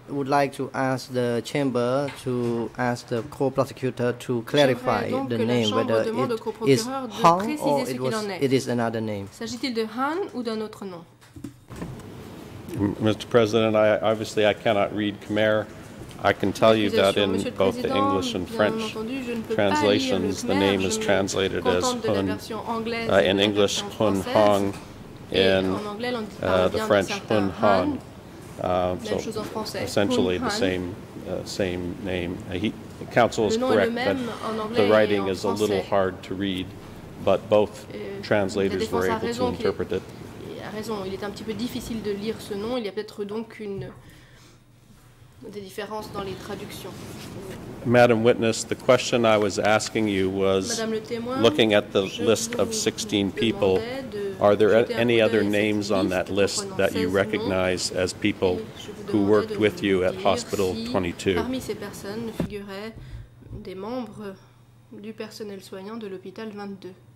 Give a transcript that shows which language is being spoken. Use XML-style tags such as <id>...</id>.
<en>would like to ask the chamber to ask the co-prosecutor to clarify the name, whether it is Hong or it is another name.</en> <fr>S'agit-il de Han ou d'un autre nom?</fr> <en>Mr. President, I cannot read Khmer. I can tell you that in both the English and French translations, the name is translated as Hun. In English, Hun Hong. In the French, Hun Hong. So essentially the same name. The counsel is correct, but the writing is a little hard to read, but both translators were able to interpret it.</en> <fr>raison. Il est un petit peu difficile de lire ce nom. Il y a peut-être donc des différences dans les traductions.</fr> <en>Madam Witness, the question I was asking you was,</en> <fr>témoin,</fr> <en>looking at the list of 16 people, are there any other names on that list that you recognize as people who worked with you at Hospital 22?</en> <fr>Parmi ces personnes figuraient des membres du personnel soignant de l'hôpital 22.</fr>